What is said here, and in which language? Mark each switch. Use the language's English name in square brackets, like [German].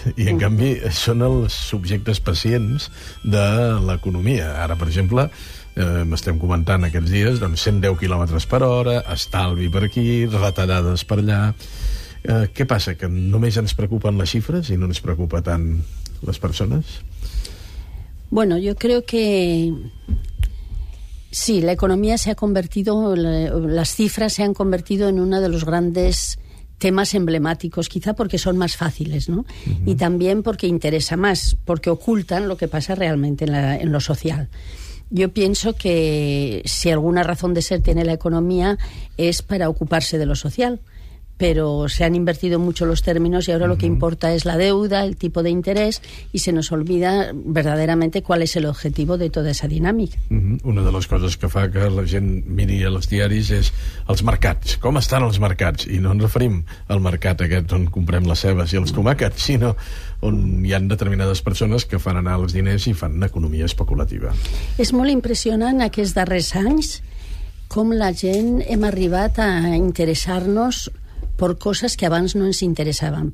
[Catalan] I, en canvi, són els subjectes pacients de l'economia. Ara, per exemple, m'estem comentant aquests dies, doncs 110 km per hora, estalvi per aquí, retallades per allà... Què passa? Que només ens preocupen les xifres i no ens preocupa tant les persones? [Spanish] Bueno, yo creo que... Sí, la economía se ha convertido... Las cifras se han convertido en uno de los grandes... temas emblemáticos, quizá porque son más fáciles, ¿no? Uh-huh. Y también porque interesa más, porque ocultan lo que pasa realmente en lo social. Yo pienso que si alguna razón de ser tiene la economía es para ocuparse de lo social, pero se han invertido mucho los términos y ahora uh-huh. lo que importa es la deuda, el tipo de interés, y se nos olvida verdaderamente cuál es el objetivo de toda esa dinámica. Uh-huh. [Catalan] Una de las cosas que fa que la gent miri a los diaris es els mercats, com estan els mercats, i no ens referim al mercat aquest on comprem les cebes i els tomàquets, sinó on hi han determinades persones que fan anar els diners i fan una economia especulativa. És molt impressionant aquests darrers anys com la gent hem arribat a interessar-nos per coses que abans no ens interessaven.